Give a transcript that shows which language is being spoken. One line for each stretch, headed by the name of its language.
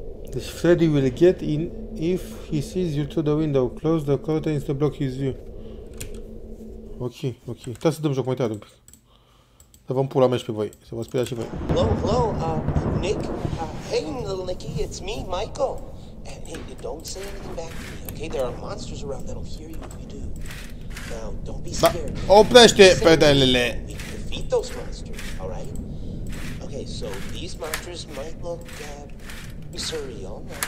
English: Deci Freddy will get in if he sees you through the window. Close the curtains to block his view. Ok, ok.
Romanian: Trebuie să dăm joc mai tare un pic. Să vă pula mea și pe voi, să vă spui și voi.
English: Hello, hello, Nick? Hey, little Nicky, it's me, Michael. And hey, you don't say anything back to me, okay? There are monsters around that'll hear you if you do. Now, don't be scared.
Romanian: Oprește pedalele!
English: We can defeat those monsters, all right? Okay, so these monsters might look, surreal.